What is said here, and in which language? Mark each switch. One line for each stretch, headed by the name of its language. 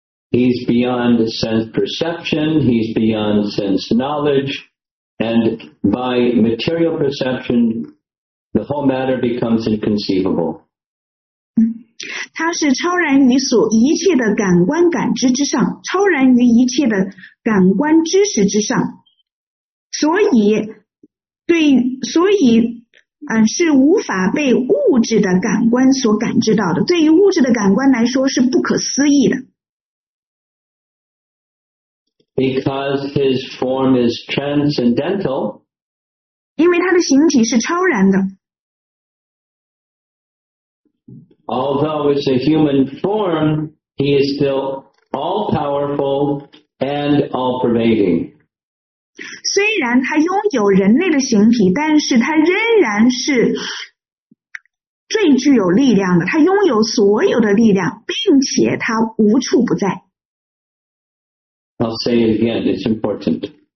English: He's beyond sense perception, he's beyond sense knowledge, and by material perception,The whole matter becomes inconceivable.
Chinese: 它是超然于所一切的感官感知之上，超然于一切的感官知识之上，所以，是无法被物质的感官所感知到的。对于物质的感官来说，是不可思议的。
English: Because his form is transcendental.
Chinese: 因为他的形体是超然的。
English: Although it's a human form, he is still all-powerful and all-pervading.
Chinese: 虽然他拥有人类的形体，但是他仍然是最具有力量的，他拥有所有的力量，并且他无处不在。
English: I'll say it again, it's important.